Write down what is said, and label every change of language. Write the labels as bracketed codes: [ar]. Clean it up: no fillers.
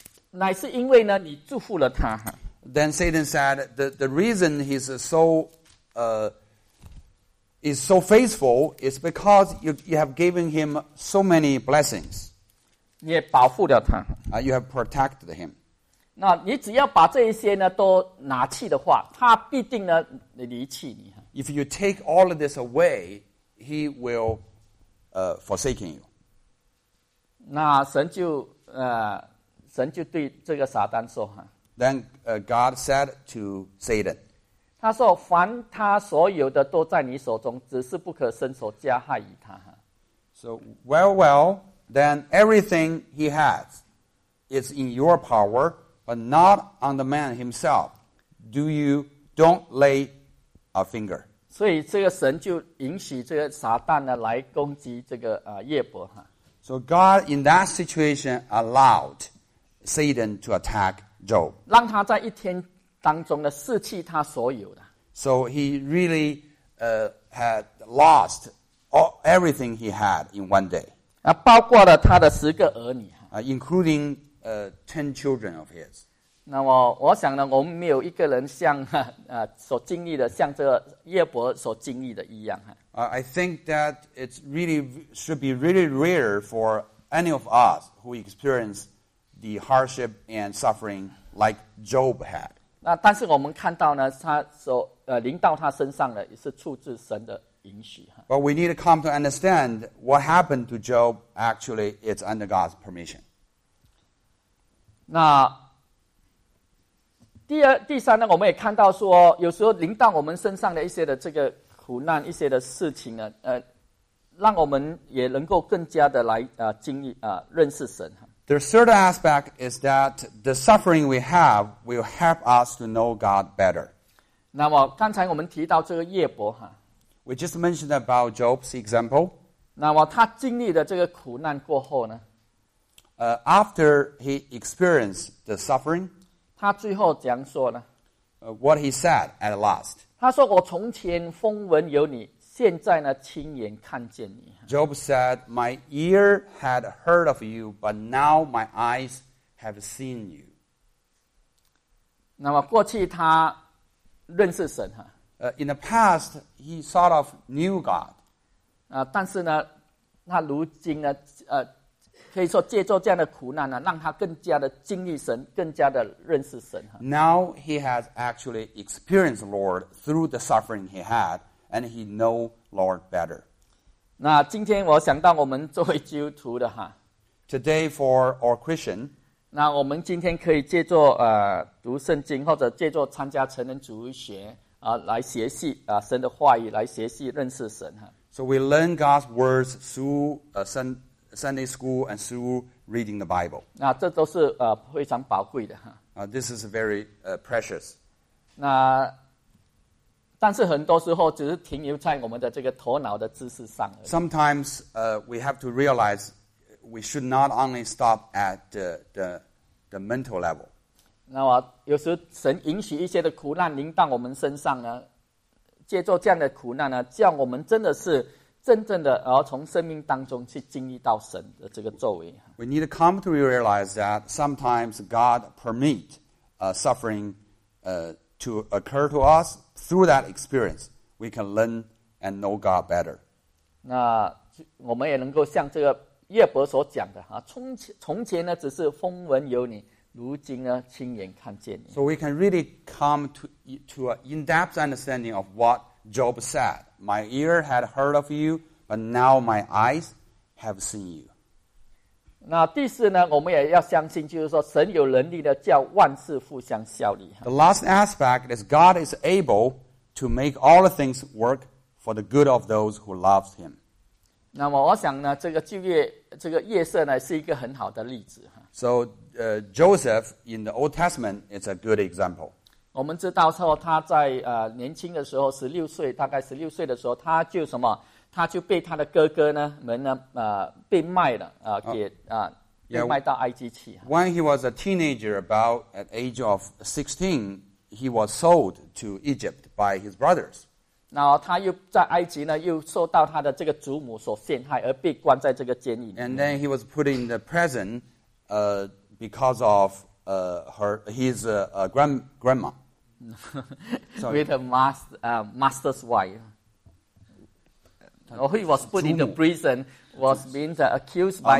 [zh] 乃是因为呢，你祝福了他。 [en] Then Satan said, "The reason he's so is so faithful is because you have given him so many blessings. [zh] 你也保护了他。 [en] You have protected him. [zh] 那你只要把这一些呢都拿去的话，他必定呢离弃你。 [en] If you take all of this away, he will forsake you. [zh] 那神就对这个撒旦说哈。 [en] Then God said to Satan. [zh] 他说：“凡他所有的都在你手中，只是不可伸手加害于他。” [en] So well, then everything he has is in your power, but not on the man himself. Don't lay a finger. [zh] 所以这个神就允许这个撒旦呢来攻击这个叶伯哈。 [en] So God in that situation allowed Satan to attack Job. [zh] 让他在一天。当中的失去他所有的 [en] ，so he really had lost all everything he had in one day. [zh] 包括了他的十个儿女 [en] including ten children of his. [zh] 那我想呢，我们没有一个人像所经历的，像这个叶伯所经历的一样哈。 [en] I think that it really should be really rare for any of us who experience the hardship and suffering like Job had. [zh] 但是我们看到呢，他所临到他身上的也是出自神的允许。 [en] But we need to come to understand what happened to Job. Actually, it's under God's permission. [zh] 那第三呢，我们也看到说，有时候临到我们身上的一些的这个苦难、一些的事情呢，让我们也能够更加的来经历认识神。 [en] The third aspect is that the suffering we have will help us to know God better. [zh] 那么刚才我们提到这个叶伯哈。 [en] We just mentioned about Job's example. [zh] 那么他经历的这个苦难过后呢 [en] After he experienced the suffering, [zh] 他最后怎样说呢 [en] What he said at last. [zh] 他说我从前风闻有你现在呢亲眼看见你。 [en] Job said, My ear had heard of you, but now my eyes have seen you. [zh] 那么过去他认识神哈。 [en] In the past, he sort of knew God. [zh] 但是呢他如今呢可以说借助这样的苦难呢让他更加的经历神更加的认识神哈。 [en] Now he has actually experienced the Lord through the suffering he had, and he know Lord better. [zh] 那今天我想到我们作为基督徒的哈 [en] ，Today for our Christian， [zh] 那我们今天可以借助读圣经或者借助参加成人主日学来学习神的话语，来学习认识神哈。 [en] So we learn God's words through Sunday school and through reading the Bible。 [zh] 那这都是非常宝贵的哈。 [en] This is very precious。 [zh] 那但是很多时候只是停留在我们的这个头脑的知识上而已。 [en] Sometimes we have to realize we should not only stop at the mental level. [zh] 那么有时神允许一些的苦难临到我们身上呢，借助这样的苦难呢，叫我们真的是真正的从生命当中去经历到神的这个作为。 [en] We need to come to realize that sometimes God permits suffering to occur to us. Through that experience, we can learn and know God better. [zh] 那我们也能够像这个叶伯所讲的啊，从前呢只是风闻有你，如今呢亲眼看见你。 [en] So we can really come to an in-depth understanding of what Job said. My ear had heard of you, but now my eyes have seen you. [zh] 那第四呢，我们也要相信，就是说神有能力的叫万事互相效力。 [en] The last aspect is God is able to make all the things work for the good of those who love Him. [zh] 那么我想呢，这个旧约这个约瑟呢，是一个很好的例子。 [en] So, Joseph in the Old Testament is a good example. [zh] 我们知道说他在年轻的时候，十六岁，大概十六岁的时候，他就什么？他就被他的哥哥呢们呢被卖了被卖到埃及去。 [en] When he was a teenager, about at age of 16, he was sold to Egypt by his brothers. [zh] 然后他又在埃及呢又受到他的这个祖母所陷害而被关在这个监狱里。 [en] And then he was put in the prison, because of his grandma. With a master's wife. Oh, he was put in the prison, was being accused by